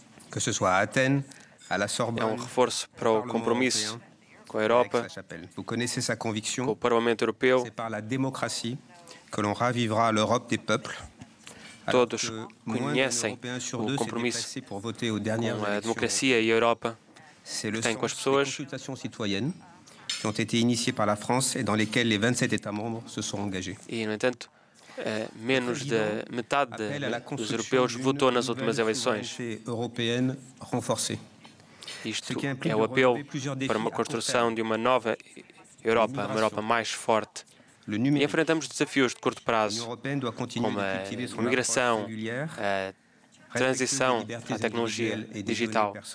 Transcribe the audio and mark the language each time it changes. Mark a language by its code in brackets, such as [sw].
[fr] Que ce soit à Athènes, à la Sorbonne, [pt] é um reforço para o compromisso com a Europa, com o Parlamento Europeu. Todos conhecem o compromisso com a democracia e a Europa que tem com as pessoas. [fr] Qui ont été initiés par la France et dans lesquels les 27 États membres se sont engagés. [pt] E, no entanto, menos da metade dos europeus votou nas últimas eleições. Isto é o apelo para uma construção de uma nova Europa, uma Europa mais forte. E enfrentamos desafios de curto prazo, como a migração, a transição à tecnologia digital,